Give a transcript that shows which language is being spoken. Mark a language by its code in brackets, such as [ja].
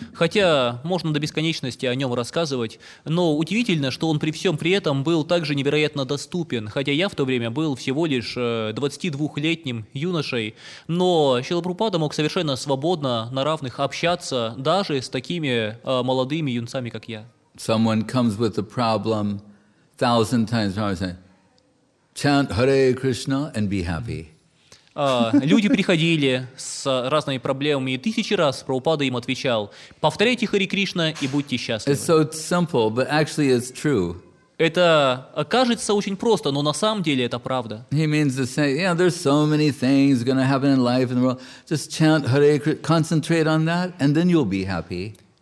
[ru] Хотя можно до бесконечности о нем рассказывать, но удивительно, что он при всем при этом был также невероятно доступен. Хотя я в то время был всего лишь 22-летним юношей, но Шрила Прабхупада мог совершенно свободно на равных общаться даже с такими молодыми юнцами, как я. [en] Someone comes with a problem 1,000 times, I say. Chant Hare Krishna and be happy. [ru] Люди приходили с разными проблемами, и тысячи раз Прабхупада им отвечал, повторяйте Харе Кришна и будьте счастливы. [en] It's so simple, but actually it's true. [ru] Это кажется очень просто, но на самом деле это правда. [en] He means to say, yeah, there's so many things going to happen in life and the world. Just chant Hare Krishna, concentrate on that, and then you'll be happy.